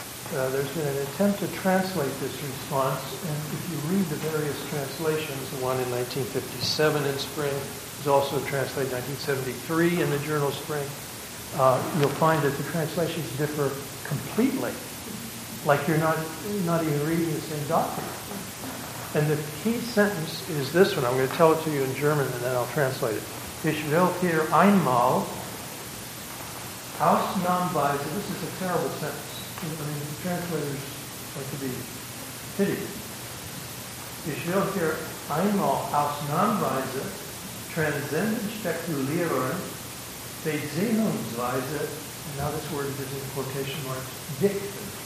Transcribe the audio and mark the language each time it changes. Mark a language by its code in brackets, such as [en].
[en] There's been an attempt to translate this response, and if you read the various translations, the one in 1957 in Spring, is also translated 1973 in the journal Spring, you'll find that the translations differ completely. Like you're not even reading the same document. And the key sentence is this one. I'm going to tell it to you in German and then I'll translate it. [de] Ich will hier einmal ausnahmsweise, [en] this is a terrible sentence. I mean, the translators are to be pitied. [de] Ich will hier einmal ausnahmsweise transzendent spekulieren, bezehnungsweise, [en] and now this word is in quotation marks, [de] dichten.